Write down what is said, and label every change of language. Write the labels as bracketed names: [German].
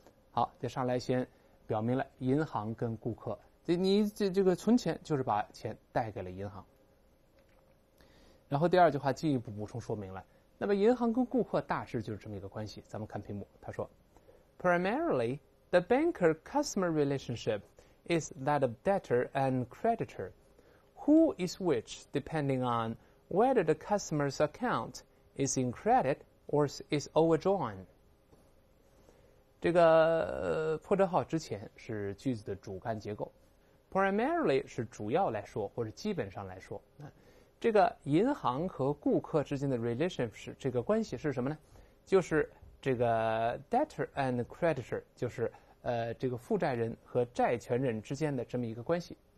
[Chinese] 好，这上来先表明了银行跟顾客，这个存钱就是把钱带给了银行。然后第二句话进一步补充说明了，那么银行跟顾客大致就是这么一个关系。咱们看屏幕，他说 primarily [English] The banker-customer relationship is that of debtor and creditor. Who is which depending on whether the customer's account is in credit or is overdrawn? [Chinese] 这个破折号之前是句子的主干结构。 Primarily 是主要来说或者基本上来说。这个银行和顾客之间的 relationship 这个关系是什么呢？就是这个 [English] debtor and creditor， [Chinese] 就是这个负债人和债权人之间的这么一个关系。